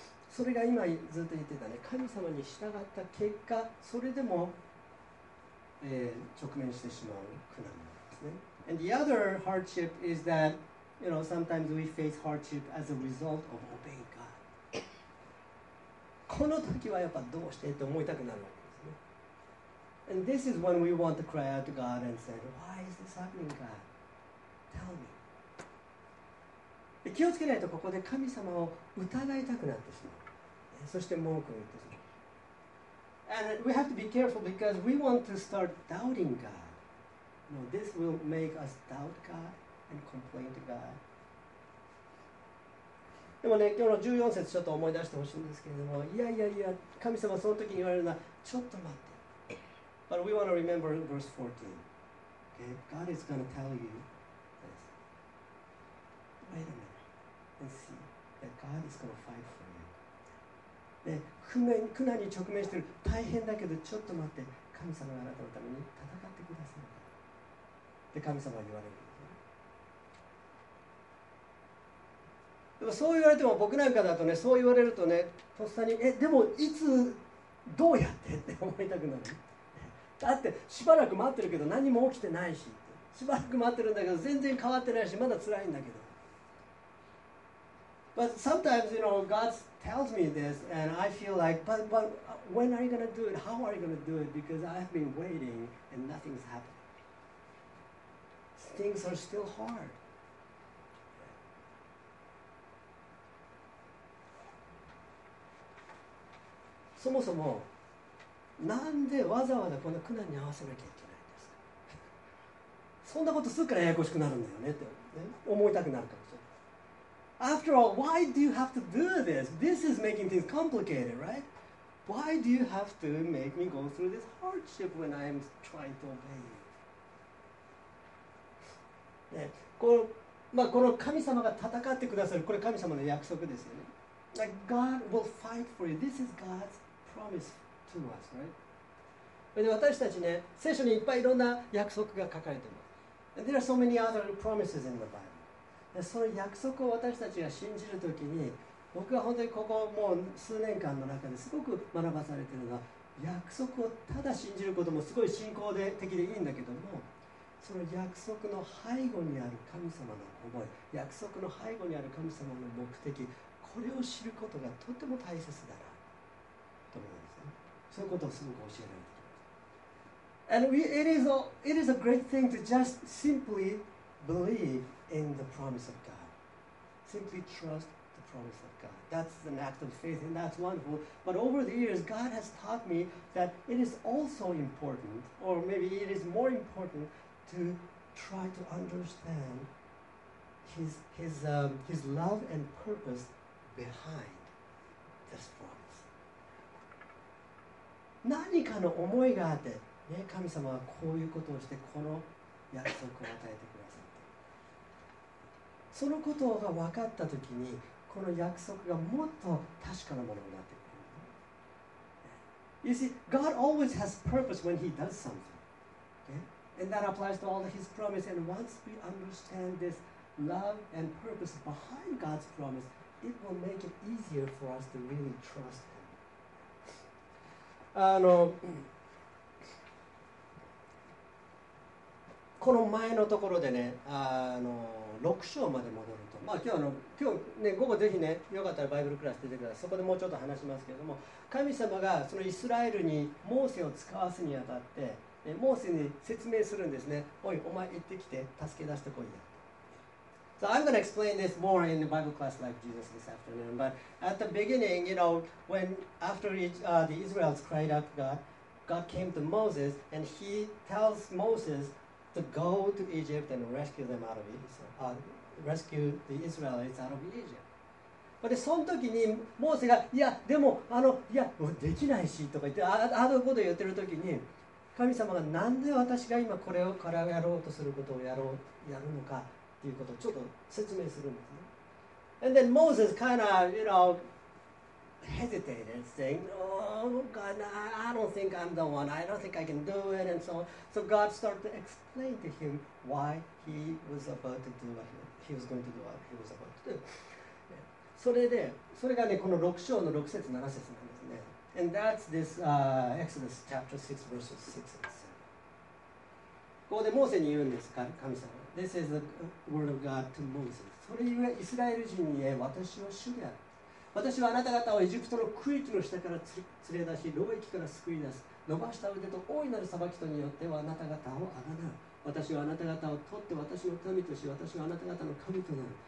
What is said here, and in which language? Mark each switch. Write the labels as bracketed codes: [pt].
[ja] それが今ずっと言ってたね。神様に従った結果、それでも、直面してしまう苦難なんですね。 [en] And the other hardship is thatYou know, sometimes we face hardship as a result of obeying God. [ja] この時はやっぱどうしてって思いたくなるわけですね。 [en] And this is when we want to cry out to God and say, Why is this happening, God? Tell me. [ja] 気をつけないとここで神様を疑いたくなってしまう。そして文句を言ってしまう。 [en] And we have to be careful because we want to start doubting God. You know, this will make us doubt God. And complain to God. [ja] でもね、今日の14節ちょっと思い出してほしいんですけれども、いやいやいや、神様その時に言われるのは、ちょっと待って。 [en] But we want to remember verse 14. Okay? God is going to tell you this. Wait a minute and see that God is going to fight for you. [ja] で、苦難に直面している、大変だけど、ちょっと待って、神様があなたのために戦ってください。で、神様は言われる。でもそう言われても僕なんかだとね、そう言われるとね、とっさに、え、でもいつ、どうやってって思いたくなる。だってしばらく待ってるけど何も起きてないし、しばらく待ってるんだけど全然変わってないし、まだ辛いんだけど。 [en] But sometimes, you know, God tells me this and I feel like, but when are you going to do it? How are you going to do it? Because I've been waiting and nothing's happened. Things are still hard. [ja] そもそも、なんでわざわざこの苦難に合わせなきゃいけないんですか。そんなことするからややこしくなるんだよねって思いたくなるかもしれない。 [en] After all, why do you have to do this? This is making things complicated, right? Why do you have to make me go through this hardship when I'm trying to obey you? [ja] ね、この、まあ、この神様が戦ってくださる、これ神様の約束ですよね。 [en] Like God will fight for you. This is God's promise to us, right? [ja] で私たちね、聖書にいっぱいいろんな約束が書かれています。 [en] There are so many other promises in the Bible. [ja] でその約束を私たちが信じるときに、僕は本当にここもう数年間の中ですごく学ばされているのは、約束をただ信じることもすごい信仰的でいいんだけども、その約束の背後にある神様の思い、約束の背後にある神様の目的、これを知ることがとても大切だなと思うんですね。そういうことをすごく教えられています。 [en] And it is a great thing to just simply believe in the promise of God. Simply trust the promise of God. That's an act of faith and that's wonderful. But over the years, God has taught me that it is also important, or maybe it is more important to try to understand his love and purpose behind this promise. [ja] 何かの思いがあって、ね、神様はこういうことをしてこの約束を与えてくださって、そのことが分かったときにこの約束がもっと確かなものになってくる。 [en] You see, God always has purpose when he does something、okay? And that applies to all his promise. And once we understand this love and purpose behind God's promise, it will make it easier for us to really trust him. [ja] この前のところでね、6章まで戻ると、まあ、今日、午後ぜひね、よかったらバイブルクラス出てください。そこでもうちょっと話しますけれども、神様がそのイスラエルにモーセを使わすにあたって、モーセに説明するんですね。おい、お前行ってきて、助け出してこいよ。 [en] So I'm going to explain this more in the Bible class like Jesus this afternoon. But at the beginning, you know, when after the Israelites cried out to God, God came to Moses and he tells Moses,to go to Egypt and rescue them out of Egypt, rescue the Israelites out of Egypt. But [ja] その時にモーセがいやでもいやできないしとか言ってあのこと言ってる時に、神様がなんで私が今これをからやろうとすることをやるのかっていうことをちょっと説明するんですね。 [en] And then Moses kind of, you know, hesitated, saying, Oh God, I don't think I can do it, and so on. So God started to explain to him why he was about to do what he was going to do, what he was about to do. [ja] それで、それがね、この6章の6節、7節なんですね。 [en] And that's this Exodus chapter 6, verses 6 and 7. [ja] ここでモーセに言うんですか、神様。 [en] This is the word of God to Moses. [ja] それゆえ、イスラエル人に言え、私は主である。私はあなた方をエジプトの区域の下から連れ出し、牢域から救い出す。伸ばした腕と大いなる裁きとによってはあなた方をあがなう。私はあなた方を取って私の民とし、私はあなた方の神となる。